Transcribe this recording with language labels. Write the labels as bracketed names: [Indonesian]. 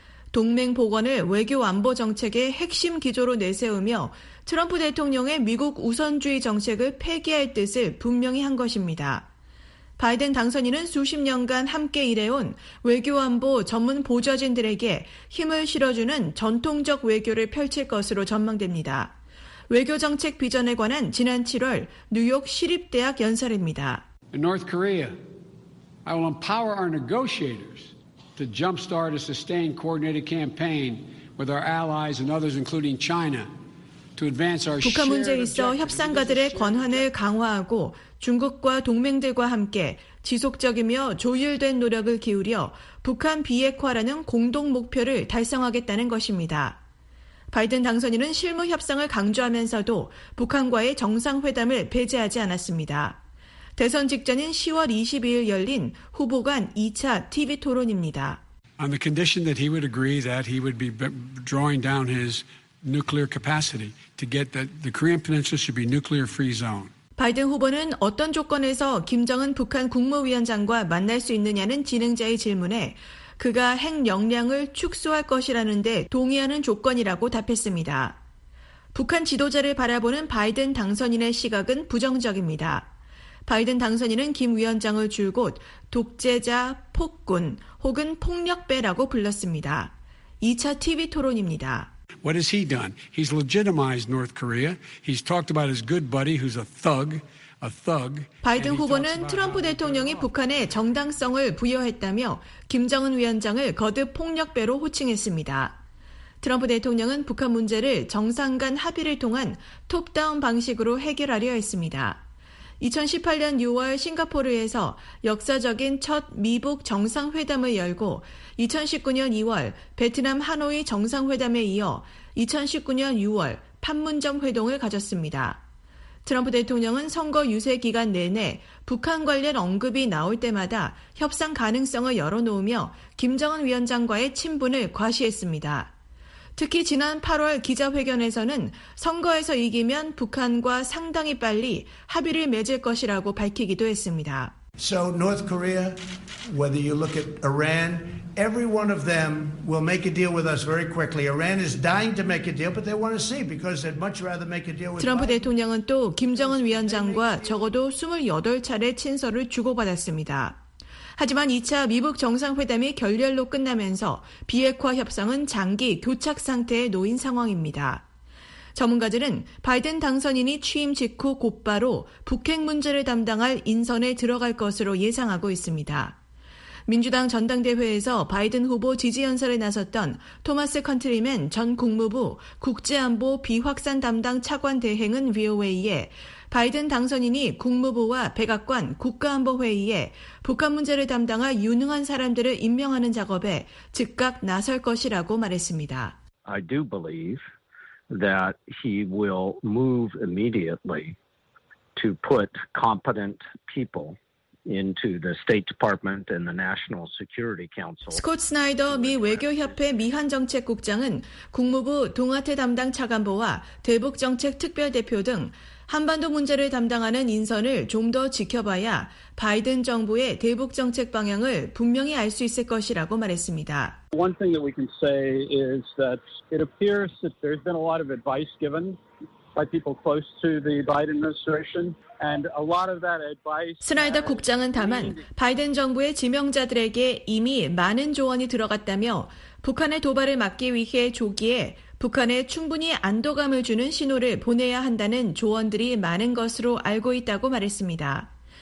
[Korean] 동맹 복원을 외교 안보 정책의 핵심 기조로 내세우며 트럼프 대통령의 미국 우선주의 정책을 폐기할 뜻을 분명히 한 것입니다. 바이든 당선인은 수십 년간 함께 일해온 외교 안보 전문 보좌진들에게 힘을 실어주는 전통적 외교를 펼칠 것으로 전망됩니다. 외교정책 비전에 관한 지난 7월 뉴욕 시립대학 연설입니다. [English] In North Korea, I will empower our negotiators to jumpstart a sustained coordinated campaign with our allies and others, including China, to advance our shared objective. [Korean] 북한 문제에 있어 협상가들의 권한을 강화하고 중국과 동맹들과 함께 지속적이며 조율된 노력을 기울여 북한 비핵화라는 공동 목표를 달성하겠다는 것입니다. 바이든 당선인은 실무 협상을 강조하면서도 북한과의 정상회담을 배제하지 않았습니다. 대선 직전인 10월 22일 열린 후보 간 2차 TV 토론입니다. [English] On the condition that he would agree that he would be drawing down his nuclear capacity to get that the Korean Peninsula should be nuclear free zone. [Korean] 바이든 후보는 어떤 조건에서 김정은 북한 국무위원장과 만날 수 있느냐는 진행자의 질문에 그가 핵 역량을 축소할 것이라는 데 동의하는 조건이라고 답했습니다. 북한 지도자를 바라보는 바이든 당선인의 시각은 부정적입니다. 바이든 당선인은 김 위원장을 줄곧 독재자, 폭군 혹은 폭력배라고 불렀습니다. 2차 TV 토론입니다. [English] What has he done? He's legitimized North Korea. He's talked about his good buddy who's a thug. [Korean] 바이든 후보는 트럼프 대통령이 북한에 정당성을 부여했다며 김정은 위원장을 거듭 폭력배로 호칭했습니다. 트럼프 대통령은 북한 문제를 정상 간 합의를 통한 톱다운 방식으로 해결하려 했습니다. 2018년 6월 싱가포르에서 역사적인 첫 미북 정상회담을 열고 2019년 2월 베트남 하노이 정상회담에 이어 2019년 6월 판문점 회동을 가졌습니다. 트럼프 대통령은 선거 유세 기간 내내 북한 관련 언급이 나올 때마다 협상 가능성을 열어놓으며 김정은 위원장과의 친분을 과시했습니다. 특히 지난 8월 기자회견에서는 선거에서 이기면 북한과 상당히 빨리 합의를 맺을 것이라고 밝히기도 했습니다. [English] So North Korea, whether you look at Iran, every one of them will make a deal with us very quickly. Iran is dying to make a deal, but they want to see because they'd much rather make a deal with. [Korean] 트럼프 대통령은 또 김정은 위원장과 적어도 28차례 친서를 주고받았습니다. 하지만 2차 미북 정상회담이 결렬로 끝나면서 비핵화 협상은 장기 교착 상태에 놓인 상황입니다. 전문가들은 바이든 당선인이 취임 직후 곧바로 북핵 문제를 담당할 인선에 들어갈 것으로 예상하고 있습니다. 민주당 전당대회에서 바이든 후보 지지 연설에 나섰던 토마스 컨트리맨 전 국무부 국제안보 비확산 담당 차관 대행은 VOA에 바이든 당선인이 국무부와 백악관 국가안보회의에 북한 문제를 담당할 유능한 사람들을 임명하는 작업에 즉각 나설 것이라고 말했습니다. [English] I do believe that he will move immediately to put competent people into the State Department and the National Security Council. [Korean] 스콧 스나이더 미 외교협회 미한정책국장은 국무부 동아태 담당 차관보와 대북정책특별대표 등 한반도 문제를 담당하는 인선을 좀 더 지켜봐야 바이든 정부의 대북 정책 방향을 분명히 알 수 있을 것이라고 말했습니다. [English] One thing that we can say is that it appears that there's been a lot of advice given by people close to the Biden administration. And a lot of that advice. [Korean] 스나이더 국장은 다만 바이든 정부의 지명자들에게 이미 많은 조언이 들어갔다며 북한의 도발을 막기 위해 조기에 북한에 충분히 안도감을 주는 신호를 보내야 한다는 조언들이 많은 것으로 알고 있다고 말했습니다.